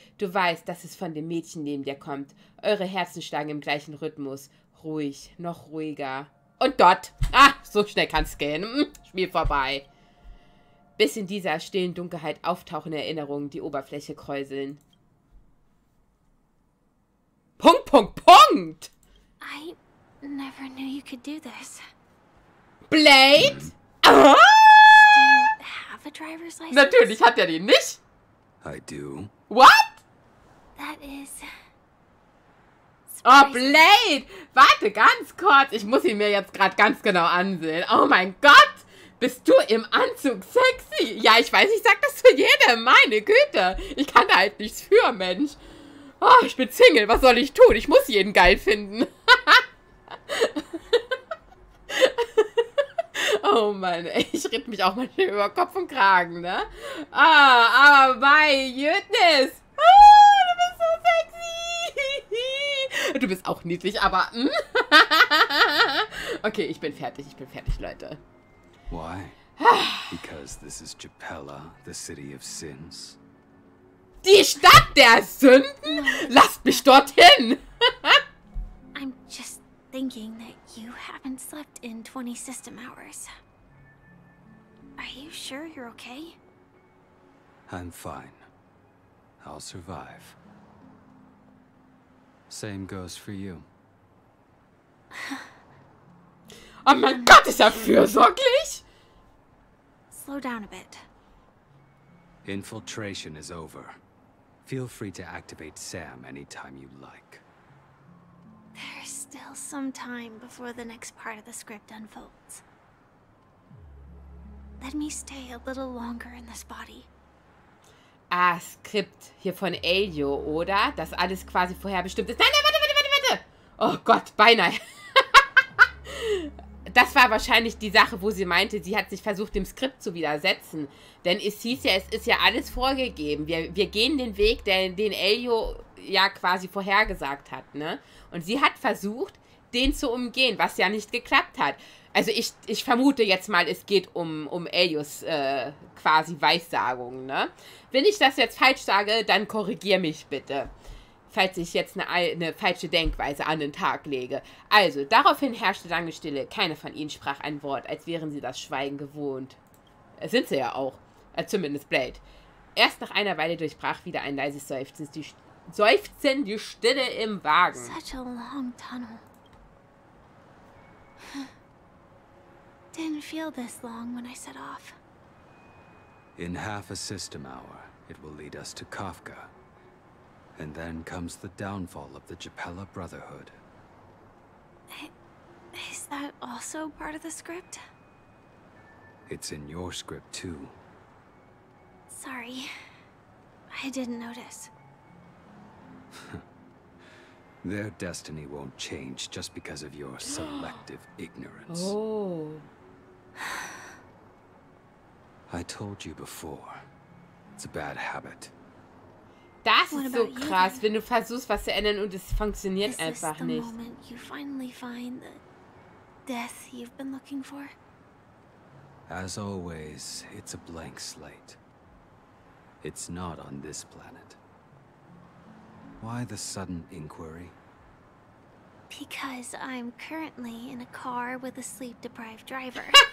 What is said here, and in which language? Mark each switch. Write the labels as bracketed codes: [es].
[de] Du weißt, dass es von dem Mädchen neben dir kommt. Eure Herzen schlagen im gleichen Rhythmus. Ruhig, noch ruhiger. Und dort. Ah, so schnell kann's gehen. Spiel vorbei. Bis in dieser stillen Dunkelheit auftauchende Erinnerungen die Oberfläche kräuseln. Punkt, Punkt! [en] I never knew you could do this. Blade? Ah! Do you have a driver's license? [de] Natürlich hat er den nicht. [en] I do. What? That is... [de] Oh, Blade! Warte, ganz kurz. Ich muss ihn mir jetzt gerade ganz genau ansehen. Oh mein Gott! Bist du im Anzug sexy? Ja, ich weiß, ich sag das zu jedem. Meine Güte! Ich kann da halt nichts für, Mensch. Oh, ich bin Single. Was soll ich tun? Ich muss jeden geil finden. Oh Mann, ey, ich ritt mich auch mal hier über Kopf und Kragen, ne? Ah, oh, aber [en] my goodness! [de] Oh, du bist so sexy! Du bist auch niedlich, aber... Okay, ich bin fertig, Leute. [en] Why? Because this is Chapella, the city of sins. [de] Die Stadt der Sünden? Lasst mich dorthin! [en] I'm just thinking that you haven't slept in 20 system hours. Are you sure you're okay? I'm fine. I'll survive. Same goes for you. [de] Oh mein Gott, ist er fürsorglich? [en] Slow down a bit. Infiltration is over. Feel free to activate Sam anytime you like. There's still some time before the next part of the script unfolds. Let me stay a little longer in this body. [de] Ah, Skript hier von Elio, oder? Das alles quasi vorherbestimmt ist. Nein, warte! Oh Gott, beinahe. Das war wahrscheinlich die Sache, wo sie meinte, sie hat sich versucht, dem Skript zu widersetzen. Denn es hieß ja, es ist ja alles vorgegeben. Wir gehen den Weg, den Elio ja quasi vorhergesagt hat, ne? Und sie hat versucht, den zu umgehen, was ja nicht geklappt hat. Also ich vermute jetzt mal, es geht um Elios quasi Weissagung, ne? Wenn ich das jetzt falsch sage, dann korrigier mich bitte, falls ich jetzt eine falsche Denkweise an den Tag lege. Also, daraufhin herrschte lange Stille. Keine von ihnen sprach ein Wort, als wären sie das Schweigen gewohnt. Sind sie ja auch. Zumindest Blade. Erst nach einer Weile durchbrach wieder ein leises Seufzen die Stille im Wagen. [en] Such a long tunnel. Didn't feel this long when I set off. In half a system hour, it will lead us to Kafka. And then comes the downfall of the Chapella Brotherhood. Is that also part of the script? It's in your script, too. Sorry. I didn't notice. Their destiny won't change just because of your selective ignorance. Oh. I told you before. It's a bad habit. [de] Das ist so krass, wenn du versuchst, was zu ändern und es funktioniert einfach nicht. [en] You finally find the death you've been looking for. As always, it's a blank slate. It's not on this planet. Why the sudden inquiry? Because I'm currently in a car with a sleep-deprived driver.